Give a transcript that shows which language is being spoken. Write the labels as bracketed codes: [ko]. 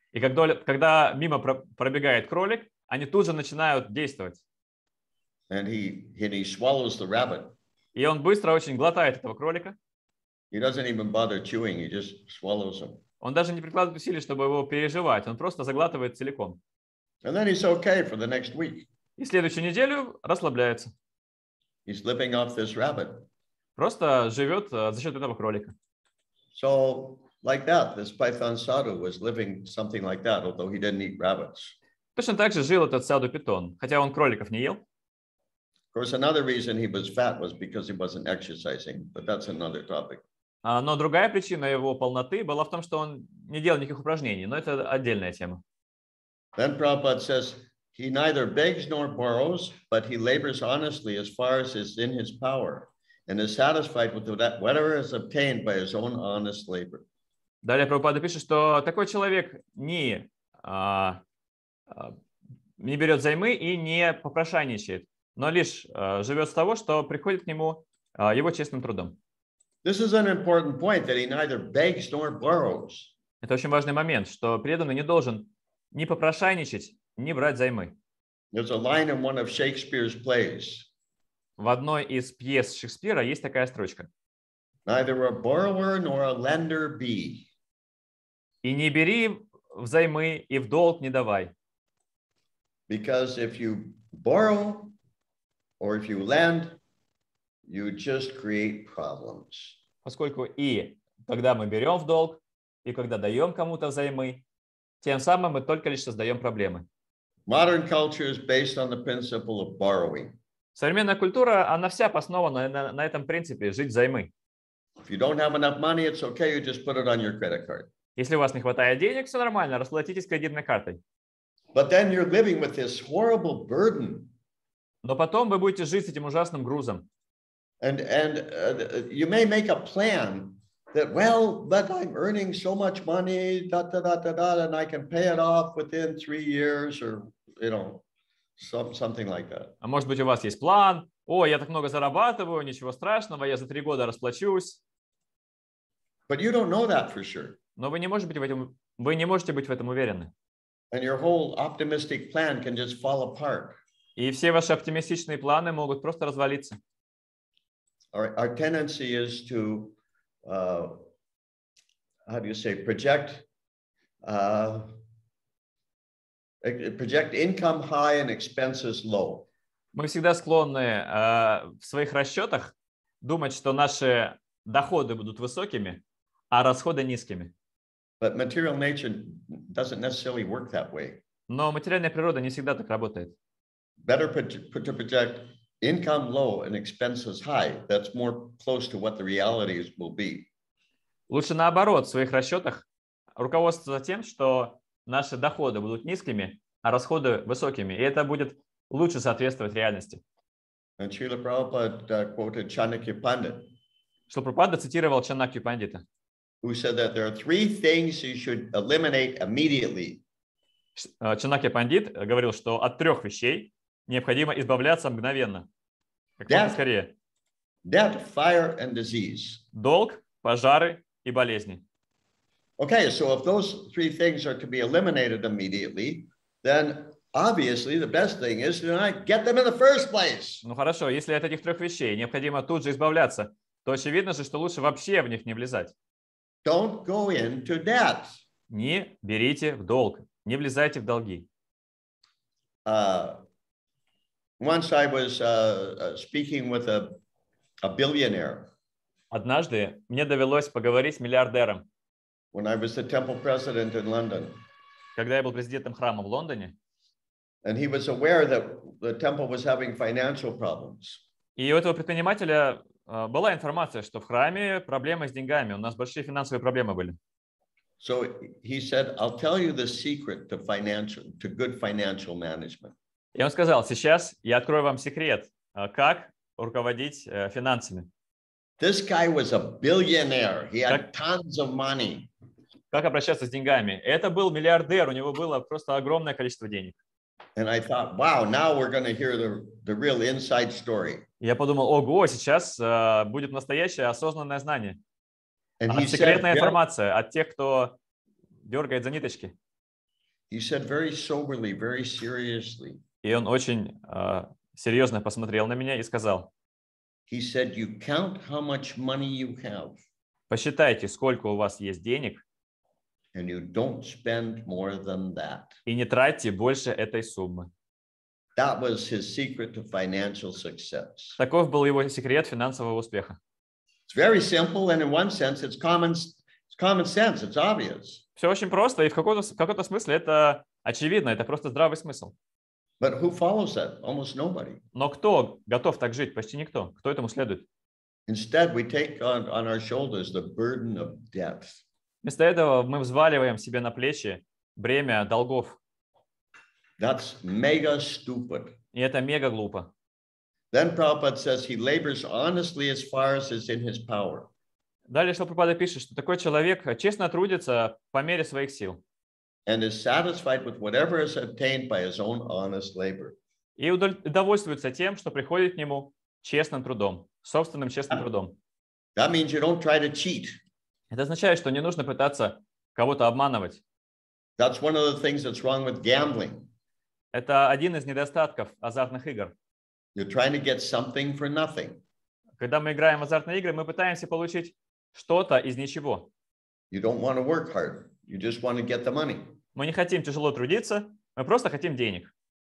[ru] И когда мимо пробегает кролик, они тут же начинают действовать. [en] And he swallows the rabbit. [ru] И он быстро очень глотает этого кролика. [en] He doesn't even bother chewing, he just swallows him. [ru] Он даже не прикладывает усилий, чтобы его переживать. Он просто заглатывает целиком. [en] And then he's okay for the next week. [ru] И следующую неделю расслабляется. [en] He's living off this rabbit. [ru] Просто живет за счет этого кролика. [en] So, like that, this python sadhu was living something like that, although he didn't eat rabbits. [ru] Точно так же жил этот саду питон, хотя он кроликов не ел. [en] Of course, another reason he was fat was because he wasn't exercising, but that's another topic. [ru] Но другая причина его полноты была в том, что он не делал никаких упражнений, но это отдельная тема. [en] Then Prabhupada says, he neither begs nor borrows, but he labors honestly as far as is in his power, and is satisfied with whatever is obtained by his own honest labor. [ru] Далее Прабхупада пишет, что такой человек не берет займы и не попрошайничает, но лишь живет с того, что приходит к нему его честным трудом. [en] This is an important point that he neither begs nor borrows. [ru] Это очень важный момент, что преданный не должен ни попрошайничать, ни брать займы. [en] There's a line in one of Shakespeare's plays. [ru] В одной из пьес Шекспира есть такая строчка. [en] Neither a borrower nor a lender be. [ru] И не бери взаймы, и в долг не давай. [en] Because if you borrow or if you lend, you just create problems. [ru] Поскольку и когда мы берем в долг, и когда даем кому-то взаймы, тем самым мы только лишь создаем проблемы. [en] Modern culture is based on the principle of borrowing. [ru] Современная культура, она вся основана на этом принципе жить взаймы. [en] If you don't have enough money, it's okay, you just put it on your credit card. [ru] Если у вас не хватает денег, все нормально, расплатитесь кредитной картой. [en] But then you're living with this horrible burden. [ru] Но потом вы будете жить с этим ужасным грузом. [en] And you may make a plan that, well, but I'm earning so much money, da-da-da-da-da, and I can pay it off within 3 years or, you know, something like that. [ru] А может быть, у вас есть план? О, я так много зарабатываю, ничего страшного, я за 3 года расплачусь. [en] But you don't know that for sure. [ru] Но вы не можете быть в этом уверены. [en] And your whole optimistic plan can just fall apart. [ru] И все ваши оптимистичные планы могут просто развалиться. [en] Our tendency is to, how do you say, project income high and expenses low. [ru] Мы всегда склонны в своих расчетах думать, что наши доходы будут высокими, а расходы низкими. [en] But material nature doesn't necessarily work that way. [ru] Но материальная природа не всегда так работает. [en] Better to project income low and expenses high. That's more close to what the realities will be. [ru] Лучше наоборот в своих расчетах руководствоваться тем, что наши доходы будут низкими, а расходы высокими. И это будет лучше соответствовать реальности. [en] And Srila Prabhupada quoted Chanakya Pandit. [ru] Шрила Прабхупада цитировал Чанакью Пандита. [en] Who said that there are three things you should eliminate immediately. [ru] Чанакья Пандит говорил, что от трех вещей необходимо избавляться мгновенно. [en] Debt, fire and disease. [ru] Долг, пожары и болезни. [en] Okay, so if those three things are to be eliminated immediately, then obviously the best thing is to not get them in the first place. [ru] Ну хорошо, если от этих трех вещей необходимо тут же избавляться, то очевидно же, что лучше вообще в них не влезать. [en] Don't go into debt. [ru] Не берите в долг. Не влезайте в долги. [en] Once I was speaking with a billionaire. [ru] Однажды мне довелось поговорить с миллиардером. [en] When I was the temple president in London. [ru] Когда я был президентом храма в Лондоне. [en] And he was aware that the temple was having financial problems. [ru] И у этого предпринимателя была информация, что в храме проблемы с деньгами, у нас большие финансовые проблемы были. [en] So he said, I'll tell you the secret to financial, to good financial management. [ru] И он сказал, сейчас я открою вам секрет, как руководить финансами. [en] This guy was a billionaire. He had tons of money. [ru] Как обращаться с деньгами? Это был миллиардер, у него было просто огромное количество денег. [en] And I thought, wow, now we're going to hear the real inside story. [ru] Я подумал, ого, сейчас будет настоящее осознанное знание. [en] And he [ru] секретная информация от тех, кто дергает за ниточки. [en] He said very soberly, very seriously. [ru] И он очень серьезно посмотрел на меня и сказал. [en] He said, you count how much money you have. [ru] Посчитайте, сколько у вас есть денег. [en] And you don't spend more than that. [ru] И не тратьте больше этой суммы. [en] That was his secret to financial success. [ru] Таков был его секрет финансового успеха. [en] It's very simple, and in one sense, it's common sense. It's obvious. [ru] Все очень просто, и в каком-то смысле это очевидно, это просто здравый смысл. [en] But who follows that? Almost nobody. [ru] Но кто готов так жить? Почти никто. Кто этому следует? [en] Instead, we take on our shoulders the burden of debt. [ru] Вместо этого мы взваливаем себе на плечи бремя долгов. [en] That's mega stupid. [ru] И это мега глупо. [en] Then Prabhupada says he labors honestly as far as is in his power. [ru] Далее Шилапрабхада пишет, что такой человек честно трудится по мере своих сил. [en] And is satisfied with whatever is obtained by his own honest labor. [ru] И довольствуется тем, что приходит к нему честным трудом, собственным честным трудом. [en] That means you don't try to cheat. [ru] Это означает, что не нужно пытаться кого-то обманывать. [en] That's one of the things that's wrong with gambling. [ru] Это один из недостатков азартных игр. [en] You're trying to get something for nothing. [ru] Когда мы играем в азартные игры, мы пытаемся получить что-то из ничего. [en] You don't want to work hard. You just want to get the money. [ru] Мы не хотим тяжело трудиться, мы просто хотим денег.